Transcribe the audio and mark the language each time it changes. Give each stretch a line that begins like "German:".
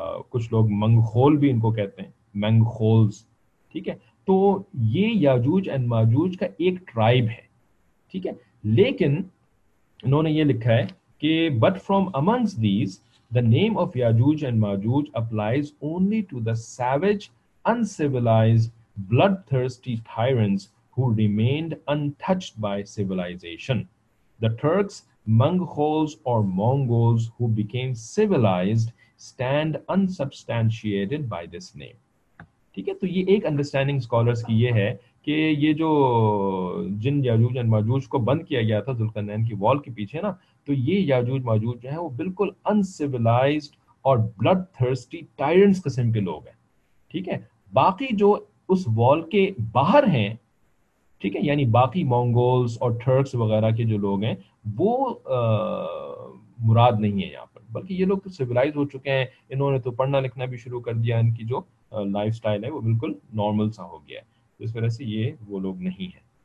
Hindi: कुछ लोग मंगखोल भी इनको कहते हैं मंगखोल्स, ठीक है, तो ये याजूज एंड माजूज का एक ट्राइब है, ठीक है, लेकिन इन्होंने ये लिखा है कि
English: But from amongst these the name of Yajuj and Majuj applies only to the savage uncivilized blood thirsty tyrants who remained untouched by civilization the Turks Mongols or Mongols who became civilized stand unsubstantiated by this name.
Hindi: ठीक है, तो ये एक understanding scholars की ये है कि ये जो जिन याजूज एंड माजूज को बंद किया गया था ज़ुल्कर्नैन की वॉल के पीछे ना, तो ये याजूज माजूज जो है वो बिल्कुल अनसिविलाइज्ड और ब्लड थर्स्टी टायरेंट्स किस्म के लोग हैं. ठीक है, बाकी जो उस वॉल के बाहर हैं, ठीक है, यानी बाकी मंगोल्स और टर्क्स वगैरह के जो लोग हैं वो मुराद नहीं है यहाँ पर, बल्कि ये लोग तो सिविलाइज हो चुके हैं, इन्होंने तो पढ़ना लिखना भी शुरू कर दिया, इनकी जो लाइफस्टाइल है वो बिल्कुल नॉर्मल सा हो गया है, तो इस वजह से ये वो लोग नहीं है.